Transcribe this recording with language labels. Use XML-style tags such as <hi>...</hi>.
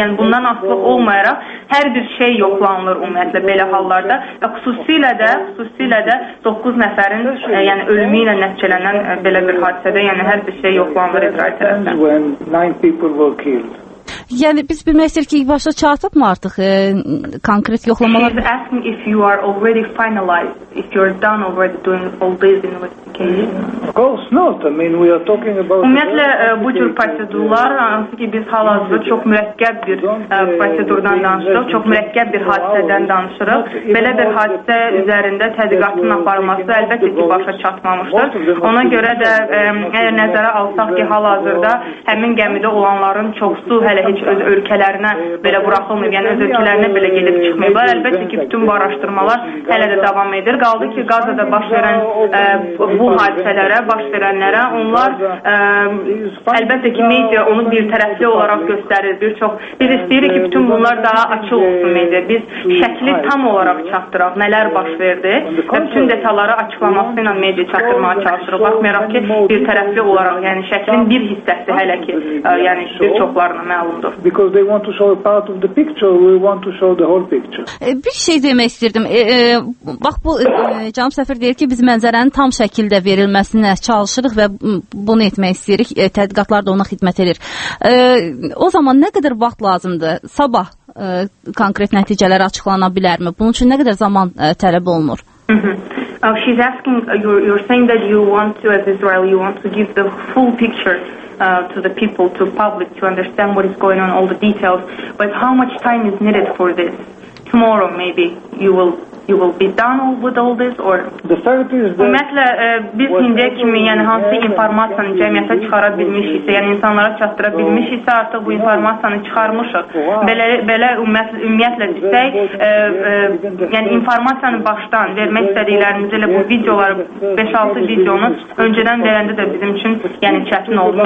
<az>Yəni, bundan asılı olmayaraq hər bir şey yoxlanılır ümumiyyətlə belə hallarda. Və xüsusilə də 9 nəfərin yəni ölümü ilə nəticələnən belə bir hadisədə, yəni hər bir şey yoxlanılır İsrail tərəfindən. Yəni, biz bilmək istəyirik ki, başa çatıb mı artıq konkret yoxlamalar?</az> <en>She is asking if you are already finalized, if you are done already doing all this investigation. Of course not. I mean, we are talking about...</en> <az>Ümumiyyətlə, bu cür prosedurlar, hansı ki, biz hal-hazırda çox mürəkkəb bir prosedurdan danışırıq, çox mürəkkəb bir hadisədən danışırıq. Belə bir hadisə üzərində tədqiqatın aparılması əlbəttə ki, başa çatmamışdır. Ona görə də, əgər nəzərə alsaq ki, hal-hazırda həmin gəmidə olanların çoxsu hələ heç öz ölkələrinə belə buraxılmır, yəni öz ölkələrinə belə gedib çıxmayıblar. Əlbəttə ki, bütün bu araşdırmalar hələ də davam edir. Qaldı ki, Qazada baş verən bu hadisələrə, baş verənlərə onlar əlbəttə ki, media onu bir tərəfli olaraq göstərir. Bir çox biz istəyirik ki, bütün bunlar daha açıq olsun media. Biz şəkli tam olaraq çatdıraq, nələr baş verdi və bütün detalları açıqlaması ilə media çatdırmağa çalışırıq. Baxmayaraq ki, bir tərəfli olaraq, yəni şəklin bir hissəsi hələ ki, yəni bir çoxlarına məlumdur.</az> <en>Because they want to show a part of the picture, we want to show the whole picture.</en> <az>Bir şey demək istirdim. Bax, bu Canım Səfər deyir ki, biz mənzərənin tam şəkildə verilməsinə çalışırıq və bunu etmək istəyirik. Tədqiqatlar da ona xidmət edir. O zaman nə qədər vaxt lazımdır? Sabah konkret nəticələr açıqlana bilərmi? Bunun üçün nə qədər zaman tələb olunur?</az> <en>She's asking, you're saying that you want to, as Israel, you want to give the full picture to the people, to public, to understand what is going on, all the details. But how much time is needed for this? Tomorrow, maybe, you will be done with all this, or the fact is that</en> <az>ümumiyyətlə biz indiyə kimi, yəni hansı informasiyanı cəmiyyətə çıxara bilmiş isə, yəni insanlara çatdıra bilmiş isə, artıq bu informasiyanı çıxarmışıq. Belə ümumiyyətlə desək, yəni informasiyanı başdan vermək istədiklərimiz elə bu videoları, 5-6 videonu öncədən verəndə də bizim üçün, yəni çətin oldu.</az>